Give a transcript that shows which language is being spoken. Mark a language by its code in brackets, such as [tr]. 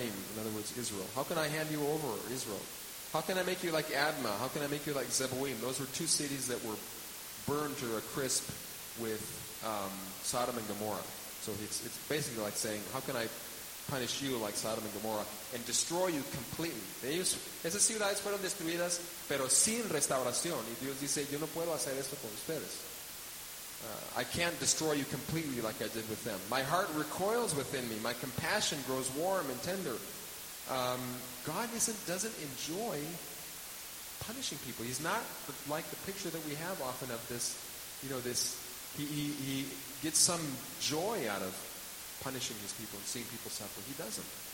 [en] In other words, Israel. How can I hand you over, Israel? How can I make you like Adma? How can I make you like Zeboim? Those were two cities that were burned to a crisp with Sodom and Gomorrah. So it's basically like saying, how can I punish you like Sodom and Gomorrah and destroy you completely? [es] Esas ciudades fueron destruidas, pero sin restauración. Y Dios dice, yo no puedo hacer esto con ustedes. [en] I can't destroy you completely like I did with them. My heart recoils within me. My compassion grows warm and tender. God doesn't enjoy punishing people. He's not like the picture that we have often of this, you know, this, he gets some joy out of punishing his people and seeing people suffer. He doesn't.